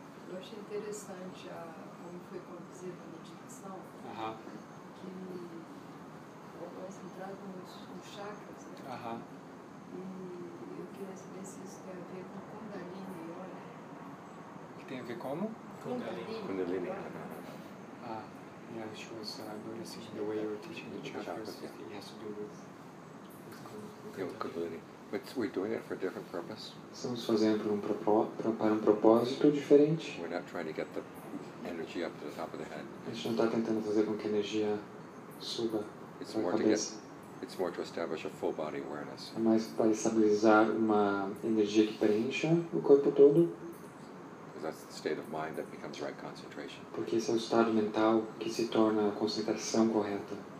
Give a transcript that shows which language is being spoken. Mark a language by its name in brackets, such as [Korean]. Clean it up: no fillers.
[Portuguese] Eu achei interessante como foi conduzida a meditação, que foi concentrado nos chakras, né? E eu queria saber se isso tem a ver com Kundalini, olha. Que tem a ver como? Kundalini. [English] Yeah, she was noticing the way you were teaching the chakras. Yeah. It has to do with Kundalini. But we're doing it for a different purpose. [Portuguese] Estamos fazendo para um propósito diferente. [English] We're not trying to get the energy up to the top of the head. [Portuguese] A gente não está tentando fazer com que a energia suba para a cabeça. [English] It's more to establish a full body awareness. [Portuguese] É mais para estabilizar uma energia que preencha o corpo todo. [English] That's the state of mind that becomes right concentration. [Portuguese] Porque esse é o estado mental que se torna a concentração correta.